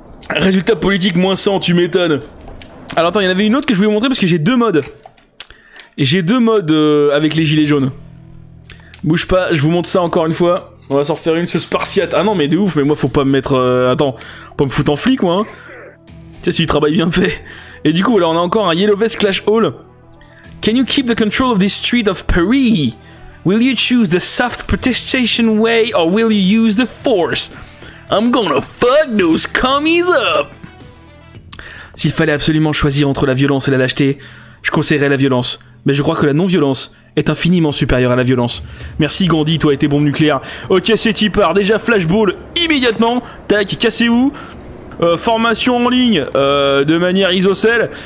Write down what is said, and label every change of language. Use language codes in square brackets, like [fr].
[fr] Résultat politique moins 100, tu m'étonnes. Alors attends, il y en avait une autre que je voulais vous montrer parce que j'ai deux modes. J'ai deux modes avec les gilets jaunes. Bouge pas, je vous montre ça encore une fois. On va s'en refaire une, ce spartiate. Ah non, mais de ouf, mais moi faut pas me mettre. Attends, faut me foutre en flic, moi. Hein. Tiens, c'est du travail bien fait. Et du coup, alors on a encore un Yellow Vest Clash Hall. [en] Can you keep the control of this street of Paris? Will you choose the soft protestation way or will you use the force? I'm gonna fuck those commies up! [fr] S'il fallait absolument choisir entre la violence et la lâcheté, je conseillerais la violence. Mais je crois que la non-violence est infiniment supérieure à la violence. Merci Gandhi, toi et tes bombes nucléaires. Ok, c'est qui part? Déjà flashball immédiatement. Tac, cassez-vous. Formation en ligne de manière isocèle.